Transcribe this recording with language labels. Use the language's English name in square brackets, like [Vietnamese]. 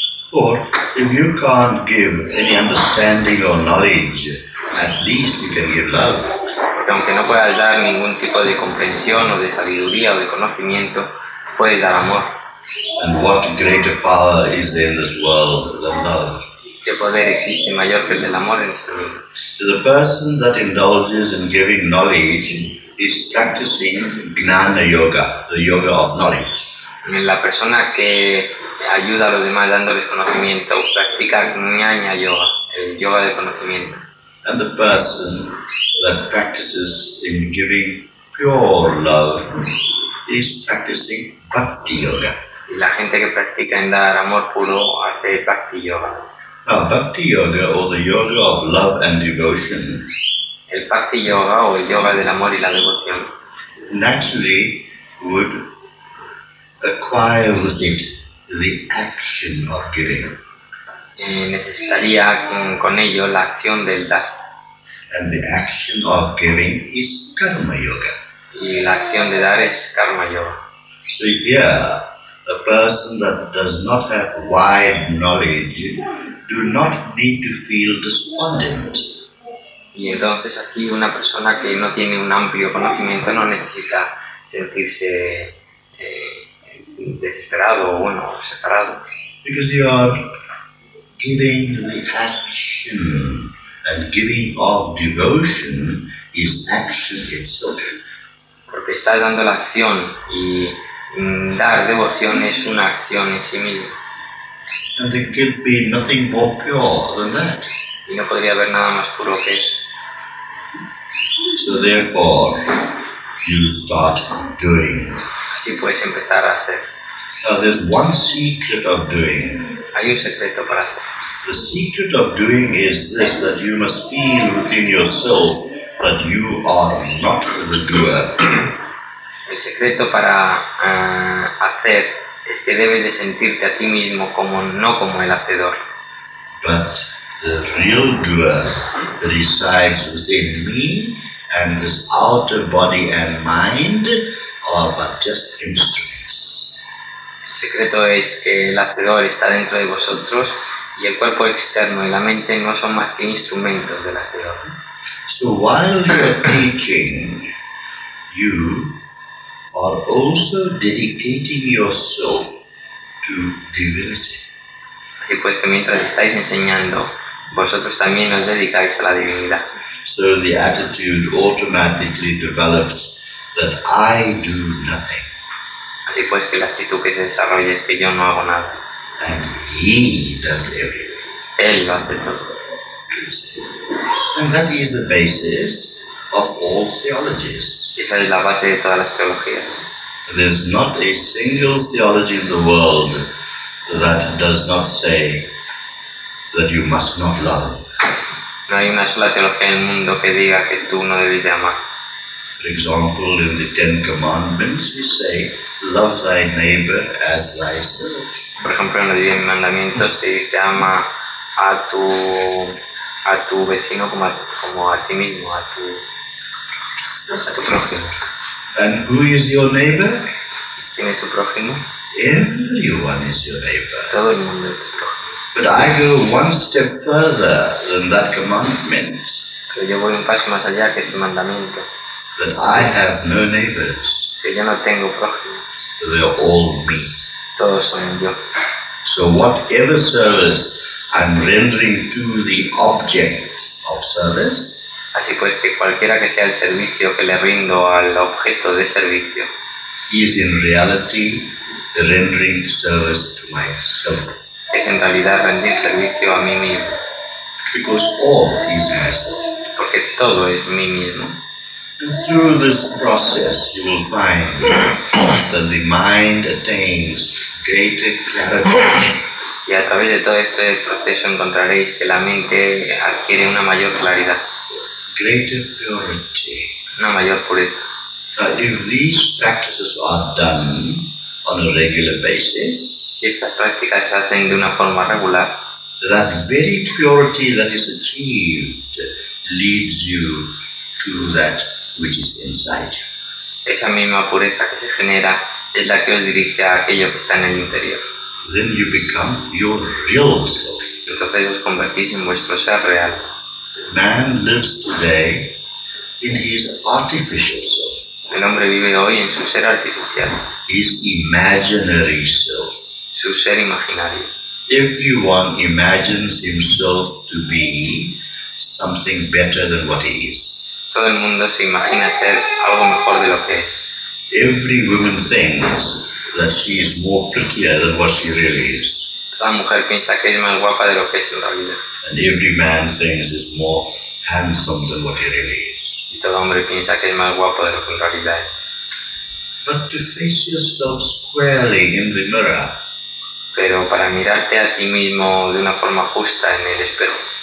[English] For if you can't give any understanding or knowledge, at least you can give love. [Spanish] Porque aunque no puedas dar ningún tipo de comprensión o de sabiduría o de conocimiento, puedes dar amor. [English] And what greater power is there in this world than love? [Spanish] ¿Qué poder existe mayor que el del amor en este mundo? [English] So the person that indulges in giving knowledge is practicing Jnana Yoga, the yoga of knowledge. [Spanish] La persona que ayuda a los demás dándoles conocimiento practica Jnana Yoga, el yoga de conocimiento. [English] And the person that practices in giving pure love is practicing Bhakti Yoga. [Spanish] Y la gente que practica en dar amor puro hace Bhakti Yoga. [English] Now, Bhakti Yoga, or the yoga of love and devotion, [Spanish] el Bhakti Yoga, o el yoga del amor y la devoción, [English] naturally would acquire with it the action of giving. [Spanish] Necesitaría con ello la acción del dar. [English] And the action of giving is karma yoga. [Spanish] Y la acción de dar es karma yoga. [English] So here, a person that does not have wide knowledge do not need to feel despondent. [Spanish] Y entonces aquí una persona que no tiene un amplio conocimiento no necesita sentirse desesperado o bueno, separado. [English] Because you are giving the action, and giving of devotion is action itself. [Spanish] Porque estás dando la acción y dar devoción es una acción en sí misma. [English] And there could be nothing more pure than that. [Spanish] Y no podría haber nada más puro que eso. [English] So therefore, you start doing. [Spanish] Así puedes empezar a hacer. [English] Now there's one secret of doing. [Spanish] Hay un secreto para hacer. [English] The secret of doing is this, that you must feel within yourself that you are not the doer. [Spanish] El secreto para hacer es que debes de sentirte a ti mismo como no como el hacedor. [English] But the real doer resides within me, and this outer body and mind are but just instruments. [Spanish] El secreto es que el hacedor está dentro de vosotros y el cuerpo externo y la mente no son más que instrumentos del hacedor. [English] So while you are teaching, you are also dedicating yourself to divinity. [Spanish] Así pues, que mientras estáis enseñando, vosotros también os dedicáis a la divinidad. [English] So the attitude automatically develops that I do nothing. [Spanish] Así pues, que la actitud que se desarrolla es que yo no hago nada. [English] And he does everything. [Spanish] Él lo hace todo. [English] And that is the basis of all theologies. [Spanish] Esa es la base de todas las teologías. [English] There's not a single theology in the world that does not say that you must not love. [Spanish] No hay una sola teología en el mundo que diga que tú no debes de amar. [English] For example, in the Ten Commandments, we say, love thy neighbor as thyself. [Spanish] Por ejemplo, en los 10 mandamientos se dice, ama a tu vecino como a ti mismo, a tu prójimo. [English] And who is your neighbor? [Spanish] ¿Quién es tu prójimo? [English] Everyone is your neighbor. [Spanish] Todo el mundo es tu prójimo. [English] But I go one step further than that commandment. [Spanish] Pero yo voy un paso más allá que ese mandamiento. [English] that I have no neighbors. [Spanish] Que yo no tengo prójimo. [English] They are all me. [Spanish] Todos son yo. [English] So whatever service I'm rendering to the object of service. [Spanish] Así pues que cualquiera que sea el servicio que le rindo al objeto de servicio. [English] Is in reality rendering service to myself. [Spanish] Es en realidad rendir servicio a mí mismo. [English] Because all is myself. [Spanish] Porque todo es mí mismo. [English] And through this process you will find that the mind attains greater clarity. [Spanish] Y a través de todo este proceso encontraréis que la mente adquiere una mayor claridad. [English] Greater purity. [Spanish] Una mayor pureza. [English] Now, if these practices are done on a regular basis, [Spanish] si estas prácticas se hacen de una forma regular, [English] that very purity that is achieved leads you to that which is inside you. [Spanish] Esa misma pureza que se genera es la que os dirige a aquello que está en el interior. [English] Then you become your real self. [Spanish] Entonces os convertís en vuestro ser real. [English] Man lives today in his artificial self. [Spanish] El hombre vive hoy en su ser artificial. [English] His imaginary self. [Spanish] Su ser imaginario. [English] Everyone imagines himself to be something better than what he is. [Spanish] Todo el mundo se imagina ser algo mejor de lo que es. [English] Every woman thinks that she is more prettier than what she really is. [Spanish] Toda mujer piensa que es más guapa de lo que es en realidad. [English] And every man thinks he's more handsome than what he really is. [Spanish] Y todo hombre piensa que es más guapo de lo que en realidad es. [English] But to face yourself squarely in the mirror. [Spanish] Pero para mirarte a ti mismo de una forma justa en el espejo.